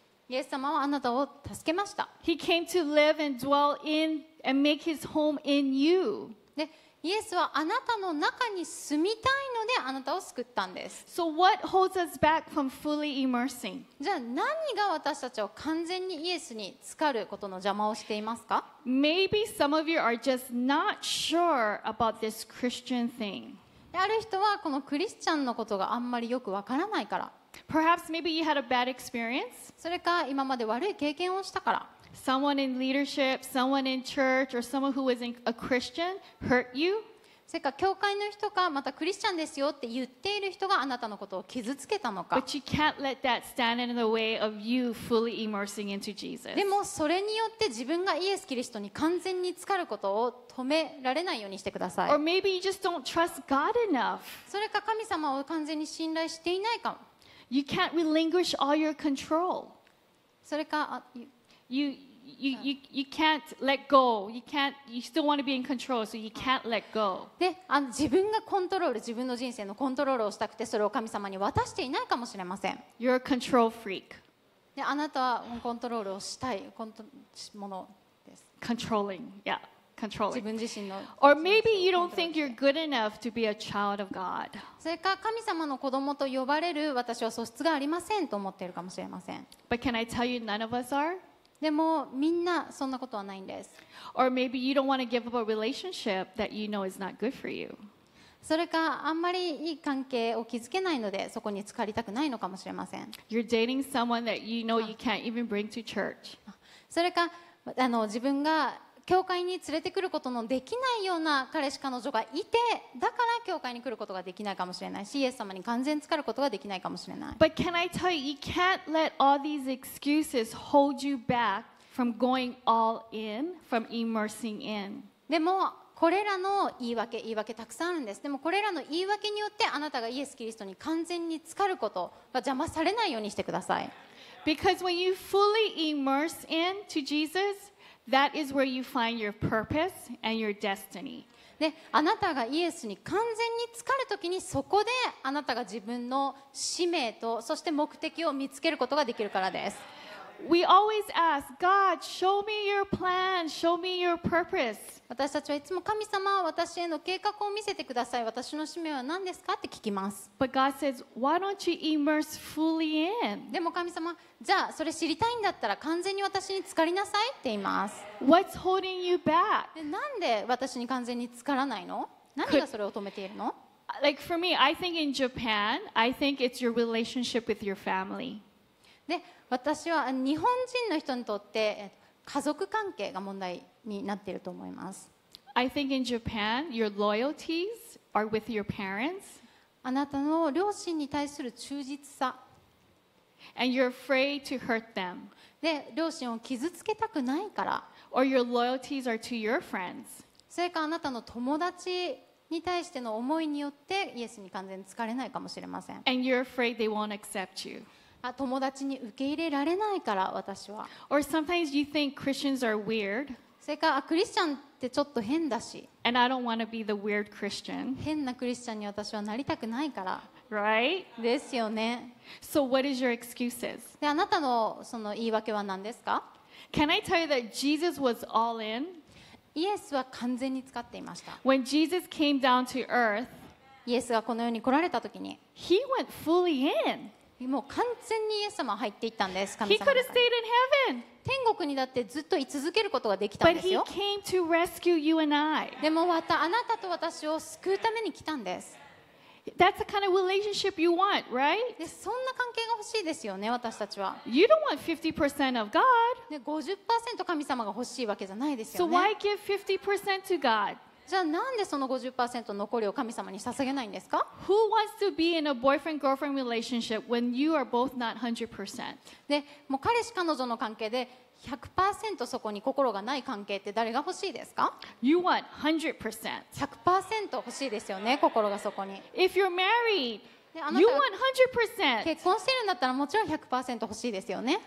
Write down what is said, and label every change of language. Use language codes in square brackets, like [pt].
[ja] イエス様はあなたを助けました。 [en] He came to live and dwell in and make his home in you. [ja] で、イエスはあなたの中に住みたいのであなたを救ったんです。 [en] So what holds us back from fully immersing? [ja] じゃあ何が私たちを完全にイエスに浸かることの邪魔をしていますか? [en] Maybe some of you are just not sure about this Christian thing. [ja] ある人はこのクリスチャンのことがあんまりよくわからないから。 [en] Perhaps maybe you had a bad experience. [ja] それか今まで悪い経験をしたから。 [en] Someone in leadership, someone in church, or someone who was a Christian hurt you. [ja] それか教会の人かまたクリスチャンですよって言っている人があなたのことを傷つけたのか。 [en] But you can't let that stand in the way of you fully immersing into Jesus. [ja] でもそれによって自分がイエス・キリストに完全に浸かることを止められないようにしてください。 [en] Or maybe you just don't trust God enough. [ja] それか神様を完全に信頼していないか。 [en] You can't relinquish all your control. [ja] それか、 [en] you can't let go. You still want to be in control, so you can't let go. [ja] で、自分がコントロール、自分の人生のコントロールをしたくて、それを神様に渡していないかもしれません。 [en] You're a control freak. [ja] で、あなたはコントロールをしたい、ものです。 [en] Controlling, yeah. [ja] 自分自身の。 [en] Or maybe you don't think you're good enough to be a child of God. [ja] それか神様の子供と呼ばれる私は素質がありませんと思っているかもしれません。 [en] But can I tell you none of us are? [ja] でもみんなそんなことはないんです。 [en] Or maybe you don't want to give up a relationship that you know is not good for you. [ja] それかあんまりいい関係を築けないのでそこに浸かりたくないのかもしれません。 [en] You're dating someone that you know you can't even bring to church. [ja] それか自分が教会に連れてくることのできないような彼氏彼女がいて、だから教会に来ることができないかもしれないし、イエス様に完全に浸かることができないかもしれない。 [en] But can I tell you, you can't let all these excuses hold you back from going all in, from immersing in. [ja] でもこれらの言い訳、たくさんあるんです。でもこれらの言い訳によってあなたがイエス・キリストに完全に浸かることが邪魔されないようにしてください。 [en] Because when you fully immerse into Jesus,That is where you find your purpose and your destiny. [ja] で、あなたがイエスに完全に浸かるときに、そこであなたが自分の使命と、そして目的を見つけることができるからです。 [en] We always ask, God, show me your plan, show me your purpose. [ja] 私たちはいつも神様、私への計画を見せてください。私の使命は何ですかって聞きます。 [en] But God says, why don't you immerse fully in? [ja] でも神様、じゃあそれ知りたいんだったら完全に私に浸かりなさいって言います。 [en] What's holding you back? [ja] なんで私に完全に浸からないの？何がそれを止めているの？ [en] Like for me, I think in Japan, I think it's your relationship with your family. [ja] で私は日本人の人にとって家族関係が問題になっていると思います。 [en] I think in Japan, your loyalties are with your parents. [ja] あなたの両親に対する忠実さ。 [en] And you're afraid to hurt them. [ja] で、両親を傷つけたくないから。 [en] Or your loyalties are to your friends. [ja] それかあなたの友達に対しての思いによってイエスに完全に疲れないかもしれません。 [en] And you're afraid they won't accept you. [ja] 友達に受け入れられないから私は。 [en] Or sometimes you think Christians are weird. [ja] それかクリスチャンってちょっと変だし。 [en] And I don't want to be the weird Christian. [ja] 変なクリスチャンに私はなりたくないから。 [en] Right? [ja] ですよね。 [en] So what is your excuses? [ja] で、あなたのその言い訳は何ですか？ [en] Can I tell you that Jesus was all in? [ja] イエスは完全に使っていました。 [en] When Jesus came down to earth, [ja] イエスがこの世に来られた時に、 [en] He went fully in. [ja] もう完全にイエス様入っていったんです。神様。 [en] He could have stayed in heaven. [ja] 天国にだってずっと居続けることができたんですよ。 [en] But he came to rescue you and I. [ja] でもあなたと私を救うために来たんです。 [en] That's the kind of relationship you want, right? [ja] で、そんな関係が欲しいですよね、私たちは。 [en] You don't want 50% of God. [ja] で、50% 神様が欲しいわけじゃないですよね。 [en] So why give 50% to God? [ja] じゃあなんでその 50% 残りを神様に捧げないんですか？ [en] Who wants to be in a boyfriend-girlfriend relationship when you are both not 100%? [ja] で、もう彼氏彼女の関係で 100% そこに心がない関係って誰が欲しいですか？ [en] You want 100%. [ja] 100% 欲しいですよね、心がそこに。 [en] If you're married, you want 100%. [ja] 結婚してるんだったらもちろん 100% 欲しいですよね。